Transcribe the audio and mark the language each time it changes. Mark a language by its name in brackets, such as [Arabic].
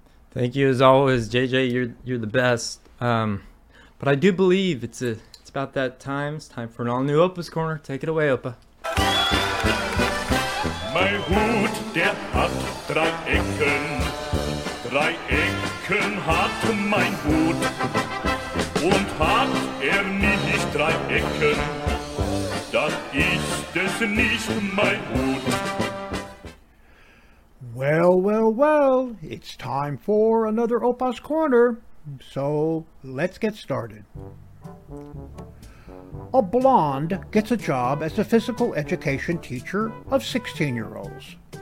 [English] Thank you as always, JJ, you're the best. But I do believe it's about that time. It's time for an all new Opa's Corner. Take it away, Opa. [German] My hood, der hat drei Ecken. Drei Ecken hat mein Hut. Und hat nicht drei Ecken, dann ist es nicht mein Hut. [English] Well, well, well, it's time for another Opa's Corner, so let's get started. A blonde gets a job as a physical education teacher of 16-year-olds.